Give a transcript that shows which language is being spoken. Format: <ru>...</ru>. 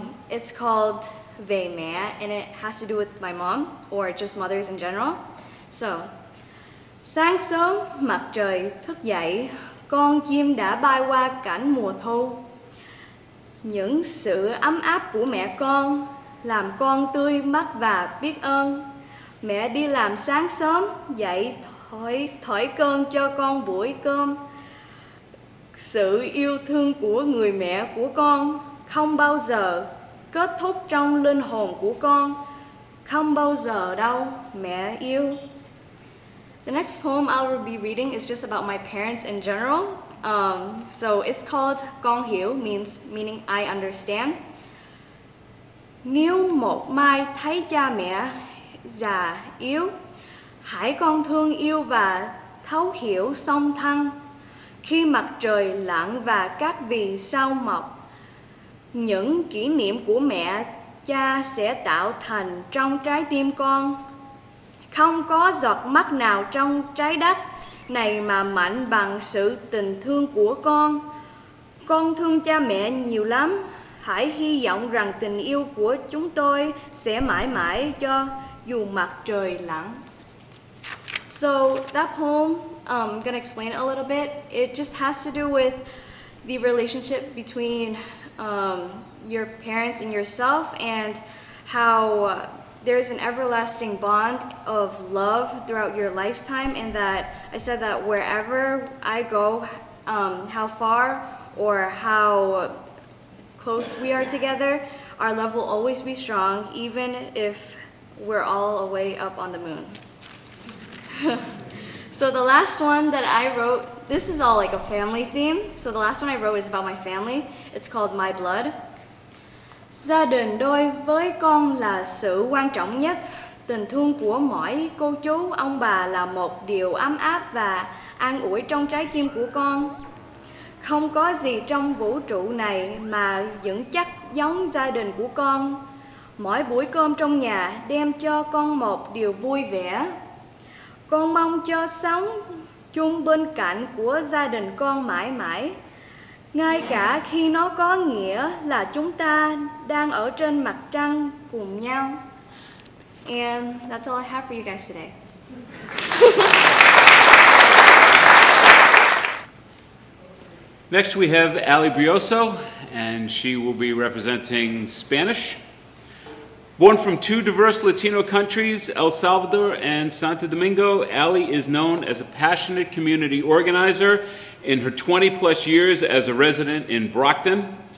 <en>It's called Về Mẹ, and it has to do with my mom, or just mothers in general.</en> <vi>So, sáng sớm mặt trời thức dậy, con chim đã bay qua cảnh mùa thu. Những sự ấm áp của mẹ con làm con tươi mắt và biết ơn. Mẹ đi làm sáng sớm dậy thấy thấy con cho con buổi cơm. Sự yêu thương của người mẹ của con không bao giờ kết thúc trong linh hồn của con. Không bao giờ đâu, mẹ yêu.</vi> <en>The next poem I will be reading is just about my parents in general. So it's called Con Hiểu, meaning I understand.</en> <vi>Nếu một mai thấy cha mẹ già yếu, hãy con thương yêu và thấu hiểu song thân. Khi mặt trời lặn và các vì sao mọc, những kỷ niệm của mẹ cha sẽ tạo thành trong trái tim con. Không có giọt mắt nào trong trái đất này mà mạnh bằng sự tình thương của con. Con thương cha mẹ nhiều lắm. Hãy hy vọng rằng tình yêu của chúng tôi sẽ mãi mãi cho dù mặt trời lặn.</vi> <en>So that poem, I'm gonna explain it a little bit. It just has to do with the relationship between your parents and yourself, and how there's an everlasting bond of love throughout your lifetime, and that I said that wherever I go, how far or how close we are together, our love will always be strong, even if we're all away up on the moon. So the last one that I wrote, this is all like a family theme. So the last one I wrote is about my family. It's called My Blood.</en> <vi>Gia đình đối với con là sự quan trọng nhất. Tình thương của mỗi cô chú, ông bà là một điều ấm áp và an ủi trong trái tim của con. Không có gì trong vũ trụ này mà vững chắc giống gia đình của con. Mỗi buổi cơm trong nhà đem cho con một điều vui vẻ. Con mong cho sống chung bên cạnh của gia đình con mãi mãi. Ngay cả khi nó có nghĩa là chúng ta đang ở trên mặt trăng cùng nhau.</vi> <en>And that's all I have for you guys today. Next we have Ali Brioso, and she will be representing Spanish. Born from two diverse Latino countries, El Salvador and Santo Domingo, Ali is known as a passionate community organizer in her 20 plus years as a resident in Brockton.</en>